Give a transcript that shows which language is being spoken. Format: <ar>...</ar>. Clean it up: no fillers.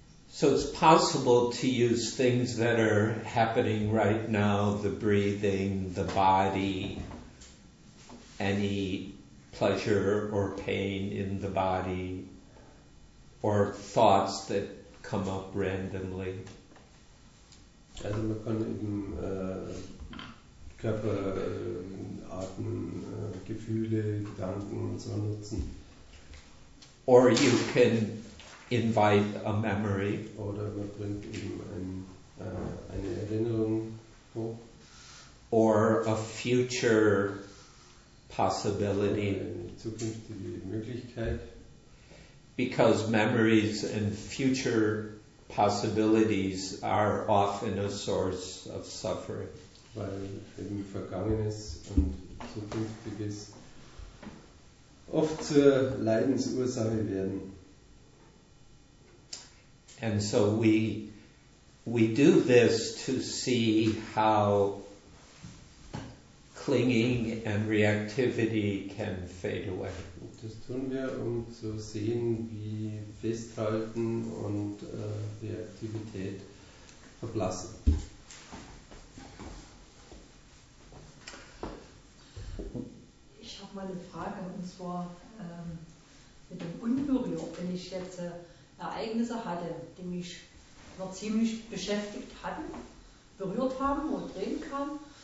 <en>So it's possible to use things that are happening right now, the breathing, the body, any pleasure or pain in the body, or thoughts that come up randomly.</en> <de>Also man kann eben Körper, Atmen, Gefühle, Gedanken und so nutzen.</de> <en>Or you can invite a memory.</en> <de>Oder man bringt eben eine Erinnerung hoch.</de> <en>Or a future possibility.</en> <de>Oder eine zukünftige Möglichkeit.</de> <en>Because memories and future possibilities are often a source of suffering.</en> <de>Weil eben Vergangenes und Zukünftiges oft zur Leidensursache werden.</de> <en>And so we do this to see how clinging and reactivity can fade away.</en> <de>Das tun wir, um zu sehen, wie Festhalten und Reaktivität verblassen. Ich habe mal eine Frage, und zwar mit dem Unberührt, wenn ich jetzt Ereignisse hatte, die mich noch ziemlich beschäftigt hatten, berührt haben und drehen kamen.</de>